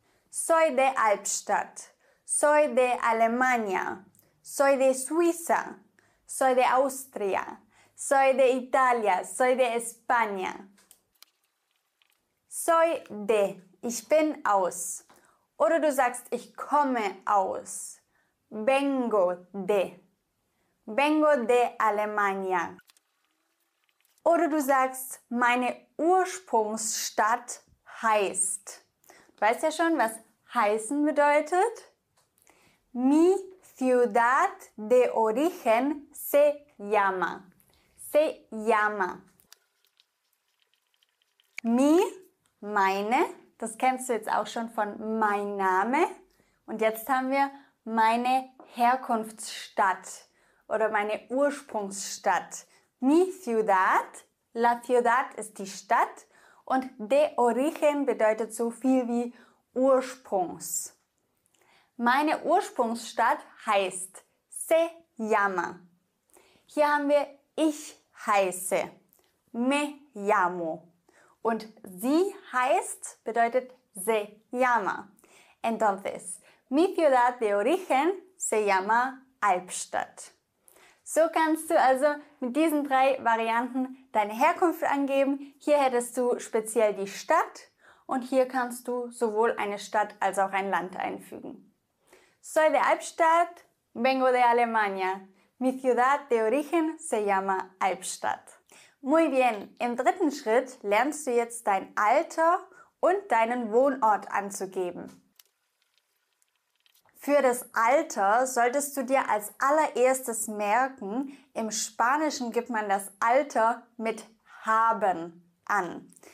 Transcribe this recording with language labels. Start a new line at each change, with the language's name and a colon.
Spanish: Soy de Albstadt, soy de Alemania, soy de Suiza, soy de Austria, soy de Italia, soy de España. Soy de,
German: ich bin aus. Oder du sagst, ich komme aus.
Spanish: Vengo de. Vengo de Alemania.
German: Oder du sagst, meine Ursprungsstadt heißt. Du weißt ja schon, was heißen bedeutet.
Spanish: Mi ciudad de origen se llama. Se llama. Mi,
German: meine, das kennst du jetzt auch schon von mein Name. Und jetzt haben wir meine Herkunftsstadt oder meine Ursprungsstadt.
Spanish: Mi ciudad, la ciudad
German: ist die Stadt und
Spanish: de origen
German: bedeutet so viel wie Ursprungs. Meine Ursprungsstadt heißt
Spanish: se llama.
German: Hier haben wir ich heiße,
Spanish: me llamo.
German: Und sie heißt, bedeutet
Spanish: se llama. Entonces, mi ciudad de origen se llama Albstadt.
German: So kannst du also mit diesen drei Varianten deine Herkunft angeben. Hier hättest du speziell die Stadt und hier kannst du sowohl eine Stadt als auch ein Land einfügen.
Spanish: Soy de Albstadt, vengo de Alemania. Mi ciudad de origen se llama Albstadt. Muy bien,
German: im dritten Schritt lernst du jetzt dein Alter und deinen Wohnort anzugeben. Für das Alter solltest du dir als allererstes merken, im Spanischen gibt man das Alter mit haben an.